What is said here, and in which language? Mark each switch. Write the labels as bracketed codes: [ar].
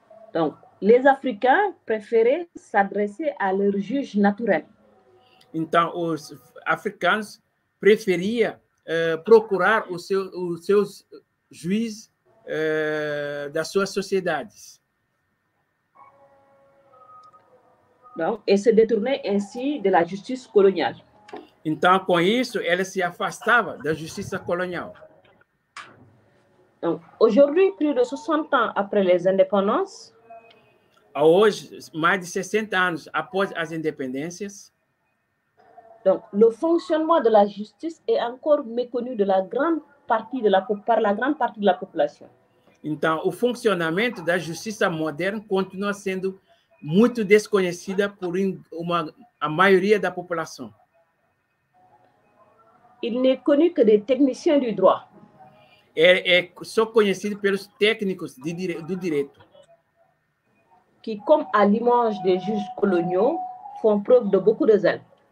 [fr] Então, les Africains préféraient s'adresser à leur juge naturel. [pt] Então, os africanos preferiam procurar os seus juízes das suas sociedades. [fr] Donc, et se détournait ainsi de la justice coloniale. [pt] Então, com isso, ela se afastava da justiça colonial. [fr] Donc, aujourd'hui, plus de 60 ans après les indépendances, [pt] hoje, mais de 60 anos após as independências, [fr] donc, le fonctionnement de la justice est encore méconnu de la grande partie de la, par la grande partie de la population. [pt] Então, o funcionamento da justiça moderna continua sendo muito desconhecida por a maioria da população. [fr] Il n'est connu que des techniciens du droit. [pt] É só conhecido pelos técnicos do direito. [fr] Qui, comme à Limoges des juges coloniaux, font preuve de beaucoup de zèle.